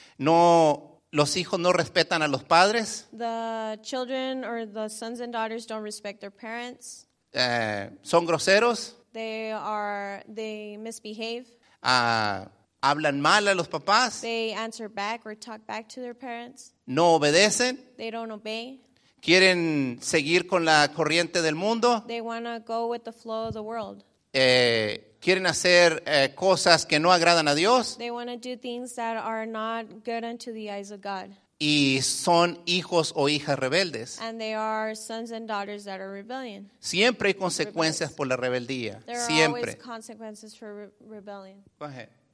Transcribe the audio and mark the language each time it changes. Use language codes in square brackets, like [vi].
[es] No, los hijos no respetan a los padres. [en] The children or the sons and daughters don't respect their parents. [es] Son groseros. [en] They misbehave. [es] Hablan mal a los papás. [en] They answer back or talk back to their parents. [es] No obedecen. [en] They don't obey. [es] Quieren seguir con la corriente del mundo. [en] They want to go with the flow of the world. [es] Quieren hacer cosas que no agradan a Dios. [en] They want to do things that are not good unto the eyes of God. [es] Y son hijos o hijas rebeldes. [en] And they are sons and daughters that are rebellion. [es] Siempre hay consecuencias rebellious. Por la rebeldía. [en] There [es] siempre. [en] Are always consequences for rebellion. Go ahead.